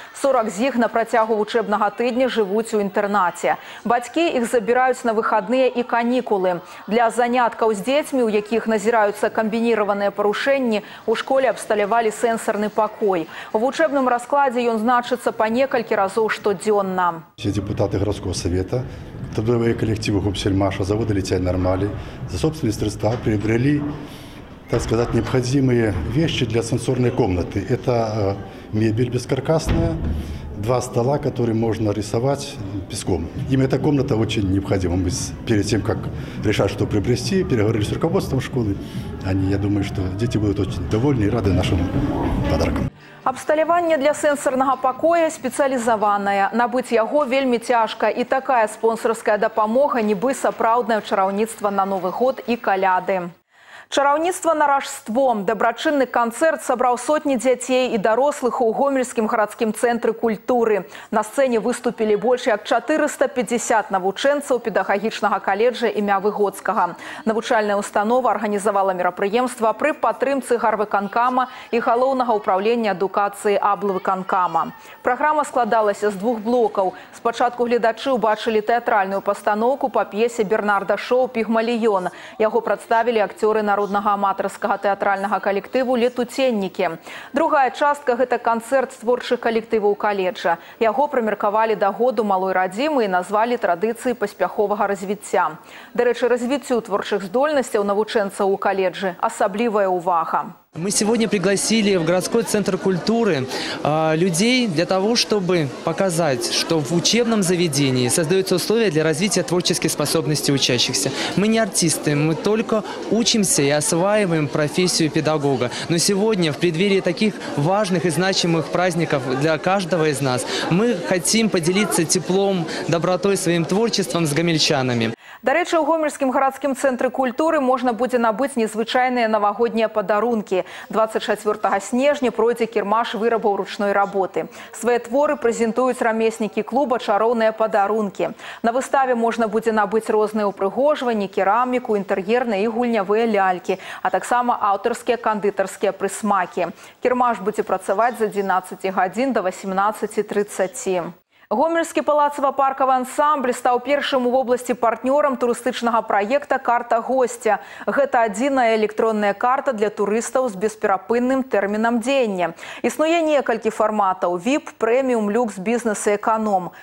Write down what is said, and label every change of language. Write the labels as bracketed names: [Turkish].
[Belarusian] 40 з іх на працягу вучэбнага тыдня жывуць у інтэрнаце. Бацькі іх забіраюць на выхадныя і канікулы. Для заняткаў з дзецьмі, у якіх назіраюцца камбініраваныя парушэнні, у школе абсталявалі сэнсарны пакой. У вучэбным раскладзе ён значыцца па некалькі разоў штодзённа. [Russian] Все депутаты городского совета, трудовые коллективы Гомсельмаша, завода «Летяй Нормали» за собственные средства приобрели, так сказать, необходимые вещи для сенсорной комнаты. Это мебель бескаркасная, два стола, которые можно рисовать песком. Им эта комната очень необходима. Мы перед тем, как решать, что приобрести, переговорили с руководством школы. Они, я думаю, что дети будут очень довольны и рады нашим подаркам. [Belarusian] Абсталяванне для сэнсарнага пакоя спецыялізаванае. Набыць яго вельмі цяжка. І такая спонсорская дапамога нібы сапраўднае чараўніцтва на Новы год і каляды. Чараўніцтва на рождство. Дабрачынны канцэрт сабраў сотні дзяцей і дарослых у Гомельскім гарадскім цэнтры культуры. На сцэне выступілі больш як 450 навучэнцаў педагагічнага каледжа імя Выгодскага. Навучальная ўстанова арганізавала мерапрыемства пры падтрымцы гарвыканкама і галоўнага ўправлення адукацыі аблвыканкама. Праграма складалася з двух блокаў. Спачатку гледачы ўбачылі тэатральную пастаноўку па п'есе Бернарда Шоу «Пігмаліён». Яго прадставілі акцёры народнага аматарскага тэатральнага калектыву «Летуценнікі». Другая частка – гэта канцэрт творчых калектываў каледжа. Яго прымеркавалі да году малой радзімы і назвалі традыцыі паспяховага развіцця. Дарэчы, развіццю творчых здольнасцяў навучэнцаў у каледжы – асаблівая ўвага. [Russian] Мы сегодня пригласили в городской центр культуры людей для того, чтобы показать, что в учебном заведении создаются условия для развития творческих способностей учащихся. Мы не артисты, мы только учимся и осваиваем профессию педагога. Но сегодня, в преддверии таких важных и значимых праздников для каждого из нас, мы хотим поделиться теплом, добротой, своим творчеством с гомельчанами. [Belarusian] Дарэчы, у гомельскім гарадскім цэнтры культуры можна будзе набыць незвычайныя навагоднія падарункі. 24 снежня пройдзе кірмаш вырабаў ручной работы. Свае творы прэзентуюць рамеснікі клуба «Чароўныя падарункі». На выставе можна будзе набыць розныя ўпрыгожванні, кераміку, інтэр'ерныя і гульнявыя лялькі, а таксама аўтарскія кандытарскія прысмакі. Кірмаш будзе працаваць з 11 гадзін да 18:30. [Russian] Гомельский палацово-парковый ансамбль стал первым в области партнером туристического проекта «Карта гостя». Это единая электронная карта для туристов с бесперапынным термином деяния. Існує несколько форматов – VIP, премиум, люкс, бизнес и эконом.